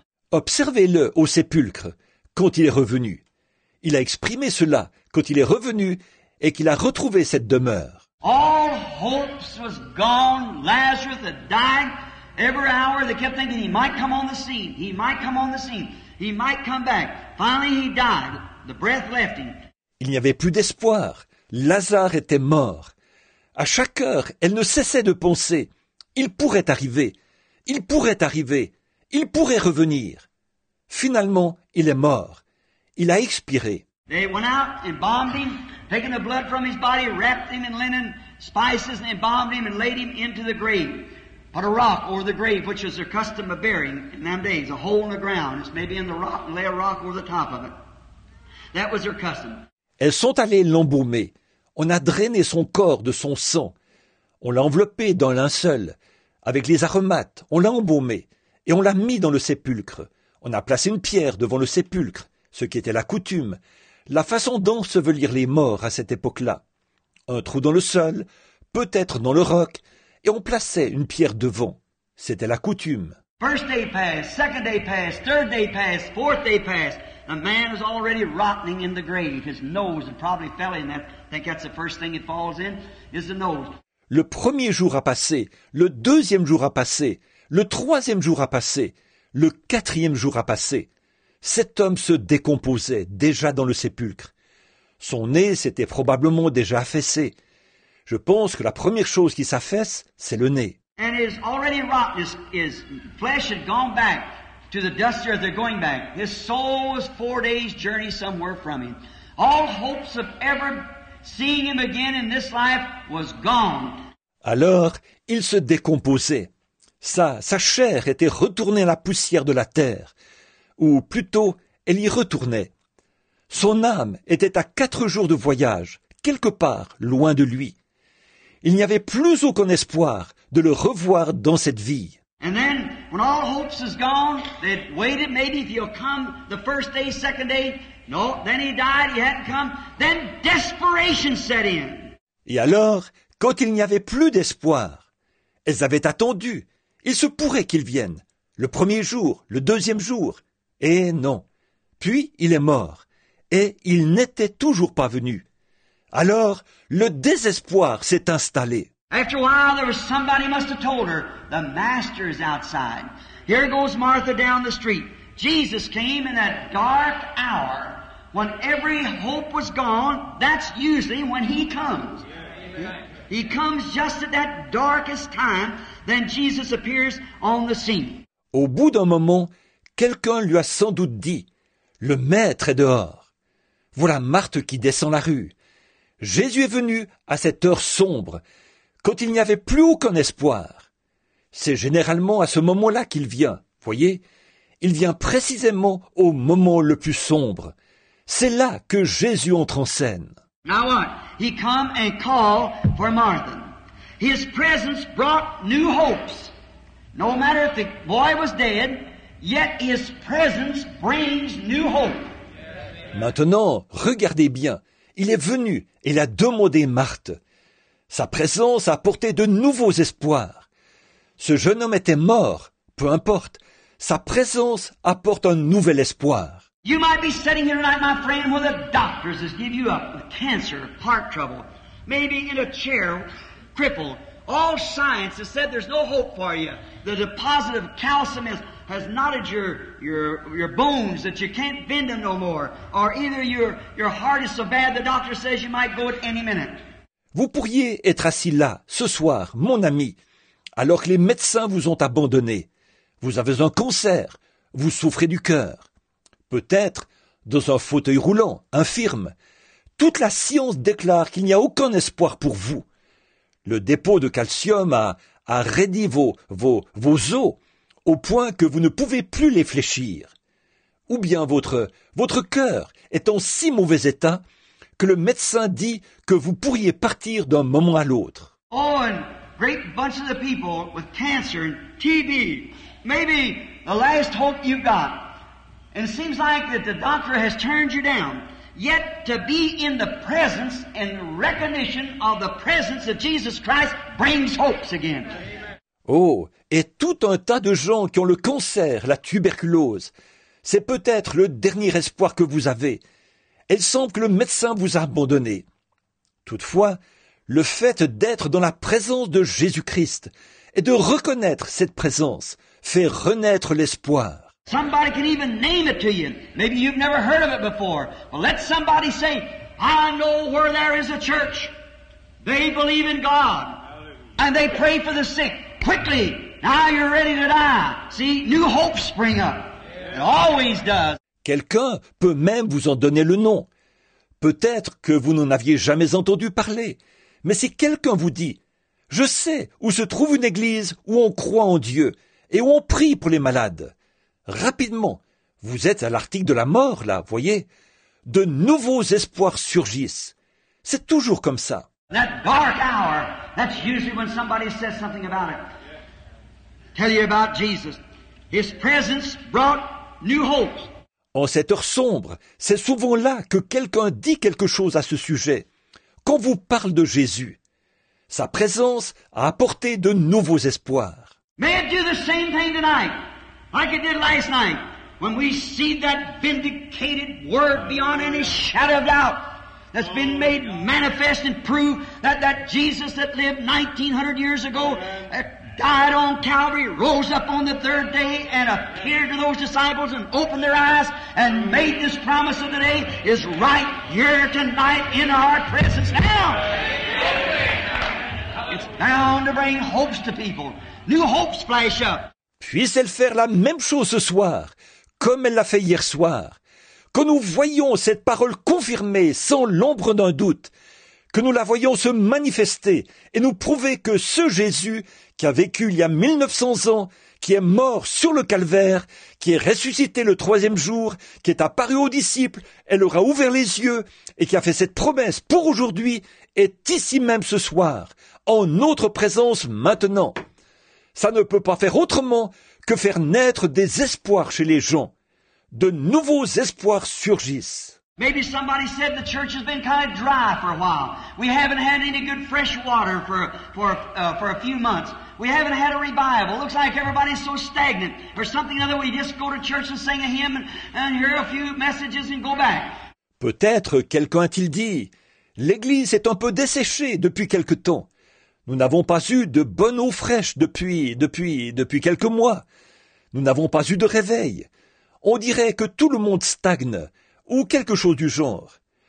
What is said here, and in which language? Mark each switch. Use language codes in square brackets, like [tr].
[fr] Observez-le au sépulcre, quand il est revenu. Il a exprimé cela quand il est revenu et qu'il a retrouvé cette demeure. [en] All hopes was gone. Lazarus had died. Every hour they kept thinking he might come on the scene. He might come on the scene. He might come back. Finally he died. The breath left him. [fr] Il n'y avait plus d'espoir. Lazare était mort. À chaque heure, elle ne cessait de penser. Il pourrait arriver. Il pourrait arriver. Il pourrait revenir. Finalement, il est mort. Il a expiré. [en] They went out, embalmed him, taking the blood from his body, wrapped him in linen, spices, and embalmed him and laid him into the grave. Put a rock over the grave, which was their custom of burying in them days, a hole in the ground. It's maybe in the rock, and lay a rock over the top of it. That was their custom. [fr] Elles sont allées l'embaumer. On a drainé son corps de son sang. On l'a enveloppé dans linceul, avec les aromates. On l'a embaumé et on l'a mis dans le sépulcre. On a placé une pierre devant le sépulcre, ce qui était la coutume, la façon d'ensevelir les morts à cette époque-là. Un trou dans le sol, peut-être dans le roc, et on plaçait une pierre devant. C'était la coutume. [en] First day passed, second day passed, third day passed, fourth day passed. The man is already rotting in the grave. His nose had probably fell in that. I think that's the first thing it falls in, is the nose. [fr] Le premier jour a passé, le deuxième jour a passé, le troisième jour a passé, le quatrième jour a passé. Cet homme se décomposait déjà dans le sépulcre. Son nez s'était probablement déjà affaissé. Je pense que la première chose qui s'affaisse, c'est le nez. [en] And his already rotten, his flesh had gone back to the dust of their going back. His soul was 4 days' journey somewhere from him. All hopes of ever seeing him again in this life was gone. [fr] Alors, il se décomposait. Sa chair était retournée à la poussière de la terre. Ou plutôt, elle y retournait. Son âme était à 4 jours de voyage, quelque part loin de lui. Il n'y avait plus aucun espoir de le revoir dans cette vie. [en] And then, when all hopes is gone, they'd waited maybe if he'll come the first day, second day. No, then he died, he hadn't come. Then desperation set in. [fr] Et alors, quand il n'y avait plus d'espoir, elles avaient attendu. Il se pourrait qu'il vienne, le premier jour, le deuxième jour. Et non. Puis il est mort. Et il n'était toujours pas venu. Alors, le désespoir s'est installé. [en] After a while, there was somebody must have told her, the master is outside. Here goes Martha down the street. Jesus came in that dark hour when every hope was gone. That's usually when he comes. Yeah, he comes just at that darkest time. Then Jesus appears on the scene. [fr] Au bout d'un moment, quelqu'un lui a sans doute dit, le maître est dehors. Voilà Marthe qui descend la rue. Jésus est venu à cette heure sombre, quand il n'y avait plus aucun espoir. C'est généralement à ce moment-là qu'il vient, voyez. Il vient précisément au moment le plus sombre. C'est là que Jésus entre en scène. [en] Now what? He come and called for Martha. His presence brought new hopes. No matter if the boy was dead, yet his presence brings new hope. [fr] Maintenant, regardez bien. Il est venu et il a demandé Marthe. Sa présence a apporté de nouveaux espoirs. Ce jeune homme était mort. Peu importe. Sa présence apporte un nouvel espoir. [en] You might be sitting here tonight, my friend, where the doctors has given you up with cancer, heart trouble, maybe in a chair, crippled, All science has said there's no hope for you. The deposit of calcium has knotted your bones that you can't bend them no more. Or either your heart is so bad the doctor says you might go at any minute. [fr] Vous pourriez être assis là, ce soir, mon ami, alors que les médecins vous ont abandonné. Vous avez un cancer, vous souffrez du cœur. Peut-être dans un fauteuil roulant, infirme. Toute la science déclare qu'il n'y a aucun espoir pour vous. Le dépôt de calcium a raidi vos os au point que vous ne pouvez plus les fléchir. Ou bien votre cœur est en si mauvais état que le médecin dit que vous pourriez partir d'un moment à l'autre. [en] Oh, and great bunch of the people with cancer and TB, maybe the last hope you've got. And it seems like that the doctor has turned you down. Yet to be in the presence and recognition of the presence of Jesus Christ brings hopes again. [fr] Oh, et tout un tas de gens qui ont le cancer, la tuberculose. C'est peut-être le dernier espoir que vous avez. Il semble que le médecin vous a abandonné. Toutefois, le fait d'être dans la présence de Jésus-Christ et de reconnaître cette présence fait renaître l'espoir. [en] Somebody can even name it to you. Maybe you've never heard of it before. But let somebody say, I know where there is a church. They believe in God. And they pray for the sick. Quickly, now you're ready to die. See, new hopes spring up. It always does. [fr] Quelqu'un peut même vous en donner le nom. Peut-être que vous n'en aviez jamais entendu parler. Mais si quelqu'un vous dit, je sais où se trouve une église où on croit en Dieu et où on prie pour les malades. Rapidement, vous êtes à l'article de la mort, là, voyez. De nouveaux espoirs surgissent. C'est toujours comme ça. [en] That dark hour, that's usually when somebody says something about it. Tell you about Jesus. His presence brought new hopes. [fr] En cette heure sombre, c'est souvent là que quelqu'un dit quelque chose à ce sujet. Qu'on vous parle de Jésus. Sa présence a apporté de nouveaux espoirs. [en] May it do the same thing tonight. Like it did last night, when we see that vindicated word beyond any shadow of doubt that's been made manifest and proved that Jesus that lived 1900 years ago, that died on Calvary, rose up on the third day and appeared to those disciples and opened their eyes and made this promise of the day is right here tonight in our presence now. It's bound to bring hopes to people. New hopes flash up. [fr] Puisse-elle faire la même chose ce soir, comme elle l'a fait hier soir, que nous voyons cette parole confirmée sans l'ombre d'un doute, que nous la voyons se manifester et nous prouver que ce Jésus qui a vécu il y a 1900 ans, qui est mort sur le calvaire, qui est ressuscité le troisième jour, qui est apparu aux disciples, elle aura ouvert les yeux et qui a fait cette promesse pour aujourd'hui, est ici même ce soir, en notre présence maintenant. Ça ne peut pas faire autrement que faire naître des espoirs chez les gens. De nouveaux espoirs surgissent. [en] Maybe somebody said the church has been kind of dry for a while. We haven't had any good fresh water for a few months. We haven't had a revival. It looks like everybody's so stagnant. Or something other way, just go to church and sing a hymn and hear a few messages and go back. [fr] Peut-être quelqu'un a-t-il dit, l'église est un peu desséchée depuis quelque temps. Nous n'avons pas eu de bonne eau fraîche depuis quelques mois. Nous n'avons pas eu de réveil. On dirait que tout le monde stagne, ou quelque chose du genre.